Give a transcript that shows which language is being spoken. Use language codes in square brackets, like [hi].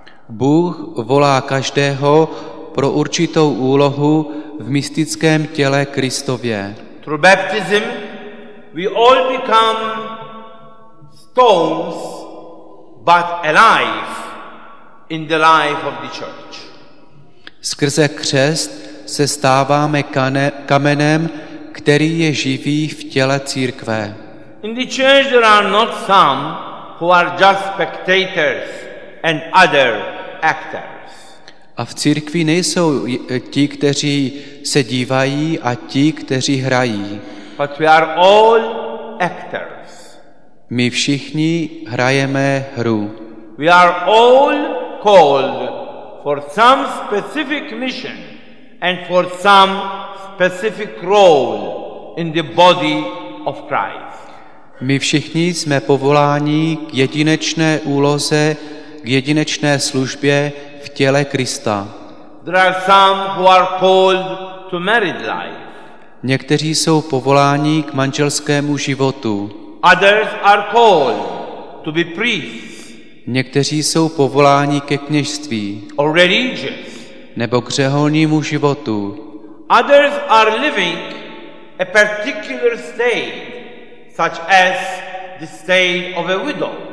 [cs] Bůh volá každého pro určitou úlohu v mystickém těle Kristově. [en] Through baptism we all become stones but alive in the life of the church. [cs] Skrze křest se stáváme kamenem, který je živý v těle církve. [en] In the church there are not some who are just spectators and other actors. [cs] A v církvi nejsou ti, kteří se dívají a ti, kteří hrají. [en] But we are all actors. [cs] My všichni hrajeme hru. [en] We are all called for some specific mission and for some specific role in the body of Christ. [cs] My všichni jsme povoláni k jedinečné úloze, k jedinečné službě v těle Krista. [en] There are some who are called to married life. [cs] Někteří jsou povoláni k manželskému životu. [en] Others are called to be priests. [cs] Někteří jsou povoláni ke kněžství. [en] Or religious. [cs] Nebo k řeholnímu životu. [en] Others are living a particular state, such as the state of a widow.